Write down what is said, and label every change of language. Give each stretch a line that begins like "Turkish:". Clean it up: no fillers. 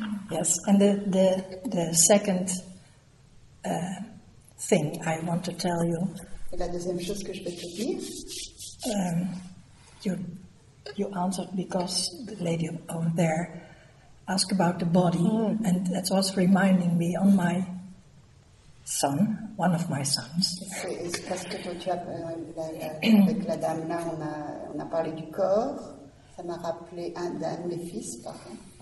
English: Yes, and the second thing I want to tell you.
French: Et la deuxième chose que je peux te dire.
English: You answered because the lady over there asked about the body, and that's also reminding me on my. Son, one of my sons.
French: C'est parce que toi, avec la dame là, on a parlé du corps. Ça m'a rappelé un de mes fils, pardon.